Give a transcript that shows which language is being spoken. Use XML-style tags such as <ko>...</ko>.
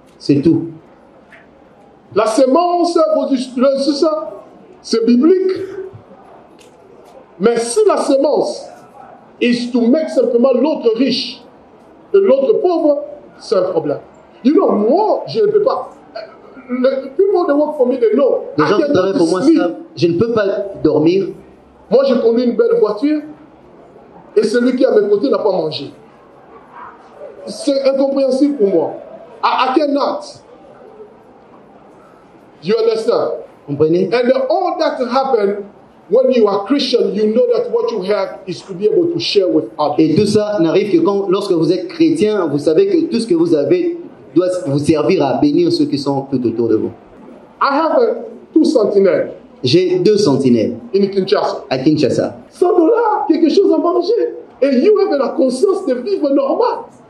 <fr>C'est tout. La semence, c'est ça? c'est biblique. Mais si la semence</fr> <en>is to make</en> <fr>simplement l'autre riche et l'autre pauvre, c'est un problème.</fr> <en>You know,</en> <fr>moi, je ne peux pas.</fr> <en>Le people that work for me, they know.</en> <fr>Les gens qui travaillent pour moi, je ne peux pas dormir. Moi, je conduis une belle voiture et celui qui est à mes côtés n'a pas mangé. C'est incompréhensible pour moi.</fr> <en>I cannot. You understand?</en> <fr>Comprenez?</fr> <en>And all that happened when you are Christian, you know that what you have is to be able to share with others.</en> <fr>Et tout ça n'arrive que quand, lorsque vous êtes chrétien, vous savez que tout ce que vous avez doit vous servir à bénir ceux qui sont tout autour de vous.</fr> <en>I have two sentinelles.</en> <fr>J'ai deux sentinelles.</fr> <en>In Kinshasa.</en> <fr>À Kinshasa. $100, quelque chose à manger.</fr> <en>And you have</en> <fr>la conscience de vivre normal.</fr>